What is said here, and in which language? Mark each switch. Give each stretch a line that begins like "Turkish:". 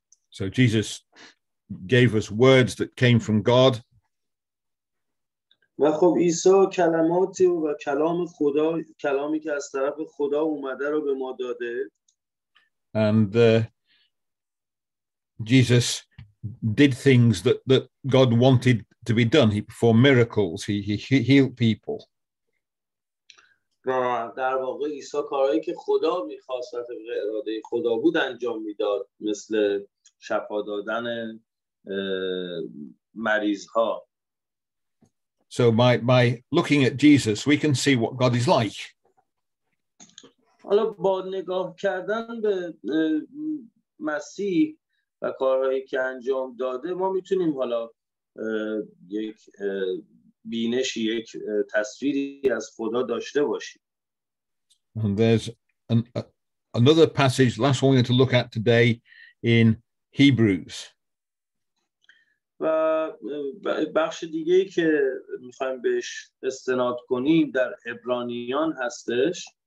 English: So Jesus gave us words that came from God.
Persian: و خب عیسی کلماتی و کلام خدا، کلامی که از طرف خدا اومده رو به ما داده.
English: And Jesus did things that God wanted to be done. He performed miracles. He healed people.
Persian: و در واقع عیسی کارهایی که خدا می‌خواست طبق اراده خدا بود انجام می‌داد، مثل شفا دادن مریض‌ها.
English: So by looking at Jesus, we can see what God is like.
Persian: حالا با نگاه کردن به مسیح و کارهایی که انجام داده ما میتونیم حالا یک بینشی، یک تصویری از خدا داشته باشیم.
English: And there's another passage, last one we're going to look at today, in Hebrews.
Persian: و بخش دیگه ای که میخوایم بهش استناد کنیم در عبرانیان هستش.